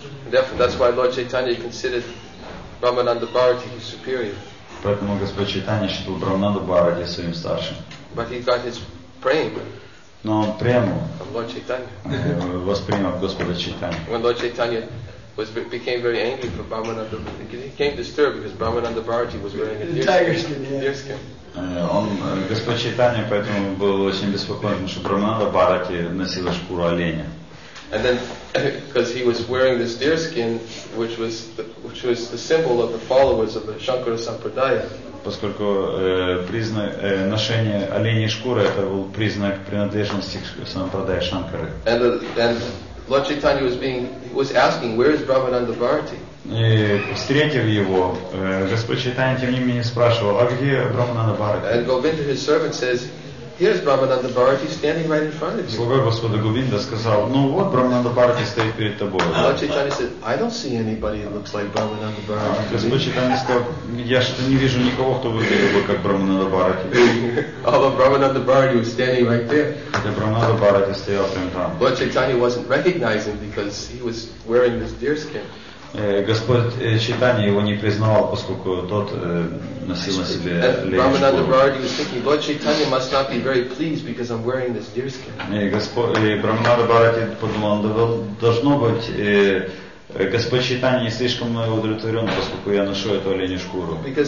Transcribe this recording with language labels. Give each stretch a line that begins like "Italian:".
English: Therefore, that's why Lord Chaitanya considered Brahmananda Bharati his superior.
Russian: Поэтому Господь Чайтанья считал Брахмананду Бхарати своим старшим.
English: But he got his prema.
Russian: Но он прему.
English: From Lord Chaitanya.
Russian: Воспринял Господа Чайтанья.
English: When Lord Chaitanya became very angry for Brahmananda, because he came disturbed because Brahmananda Bharati was wearing a deer skin.
Russian: Господь Чайтанья поэтому был очень беспокоен, что Брахмананда Бхарати носила шкуру оленя.
English: And then, because he was wearing this deer skin, which was the symbol of the followers of the Shankara Sampradaya.
Russian: Поскольку признак ношения оленей шкуры это был признак принадлежности к Сампрадае Шанкары.
English: Lord Chaitanya was asking, where is Brahmananda Bharati?
Russian: И встретив его, Господь Чайтанья тем не менее спрашивал, а где Брахмананда Бхарати?
English: And Govinda, his servant, says, here's Brahmananda Bharati standing right in front of you.
Russian: Слуга Господа Говинда сказал, ну вот Брахмананда Бхарати стоит перед тобой.
English: Lord Chaitanya said, I don't see anybody who looks like Brahmananda Bharati.
Russian: Господь Чайтанья сказал, я что-то не вижу никого, кто выглядел бы как Брахмананда Бхарати.
English: Although Brahmananda Bharati was standing right there.
Russian: Хотя Брахмананда Бхарати стоял прямо там.
English: Lord Chaitanya wasn't recognizing because he was wearing this deer skin.
Russian: Господь Чайтанья его не признавал, поскольку тот носил на себе оленью шкуру. Брахмананда Бхарати подумал, должно быть, Господь Чайтанья не слишком мной удовлетворен, поскольку я ношу эту оленью шкуру.